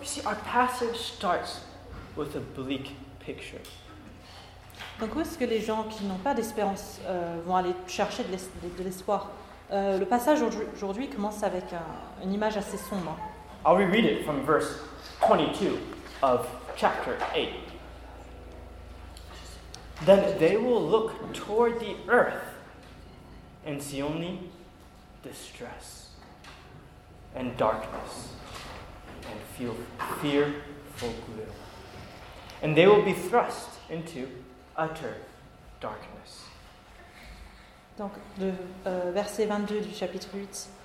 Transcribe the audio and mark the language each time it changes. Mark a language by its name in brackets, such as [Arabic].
[English] You see, our passage starts with a bleak picture. [French] Donc où est-ce que les gens qui n'ont pas d'espérance vont aller chercher de l'espoir? Le passage aujourd'hui commence avec une image assez sombre. [English] I'll reread it from verse 22 of chapter 8. Then they will look toward the earth and see only distress and darkness and feel fearful gloom. And they will be thrust into utter darkness. [French] Donc, verset 22 du chapitre 8.